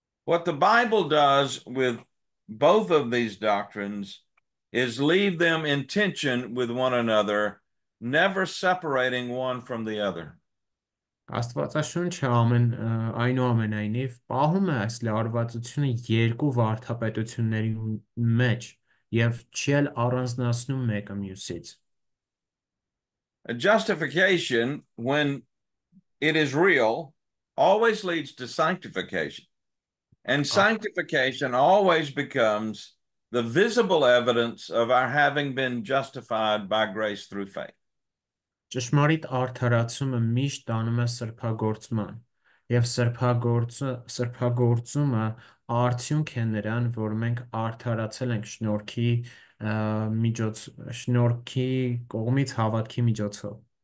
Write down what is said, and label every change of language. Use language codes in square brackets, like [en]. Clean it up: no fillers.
[en] What the Bible does with both of these doctrines is leave them in tension with one another, never separating one from the other. [hy] Աստվածաշունչը ամեն այնուամենայնիվ պահում է այս լարվածությունը երկու վարդապետությունների մեջ եւ չի էլ առանձնացնում մեկը մյուսից։ [en] A justification, when it is real, always leads to sanctification. And sanctification always becomes the visible evidence of our having been justified by grace through faith. [hy] Ճշմարիտ արդարացումը միշտ տանում է սրբագործման, եւ սրբագործումը արդյունք է նրան, որ մենք արդարացել ենք շնորհքի կողմից հավատքի միջոցով։